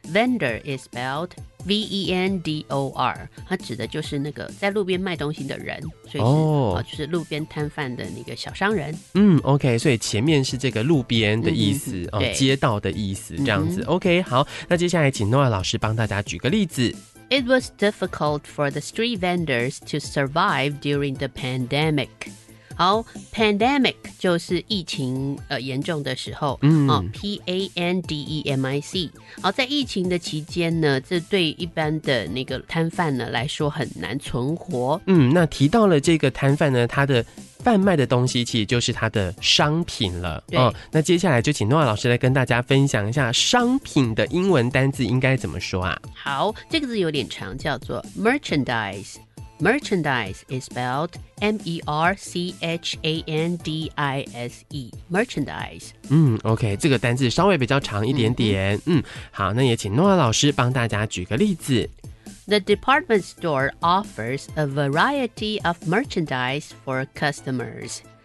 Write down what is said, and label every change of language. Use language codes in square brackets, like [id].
[en] Vendor is spelled V-E-N-D-O-R， [zh] 它指的就是那个在路边卖东西的人，所以是、就是路边摊贩的那个小商人。 OK， 所以前面是这个路边的意思、街道的意思这样子。 OK， 好，那接下来请诺亚老师帮大家举个例子。 [en] It was difficult for the street vendors to survive during the pandemic. [zh] 好 ，pandemic 就是疫情严重的时候，pandemic。好，在疫情的期间呢，这对一般的那个摊贩呢来说很难存活。那提到了这个摊贩呢，他的贩卖的东西其实就是他的商品了。那接下来就请诺亚老师来跟大家分享一下商品的英文单字应该怎么说啊？好，这个字有点长，叫做 merchandise。 [en] Merchandise is spelled M-E-R-C-H-A-N-D-I-S-E. Merchandise. [zh] OK, 这个单字稍微比较长一点点。好，那也请诺亚老师帮大家举个例子。 [en] The department store offers a variety of merchandise for customers.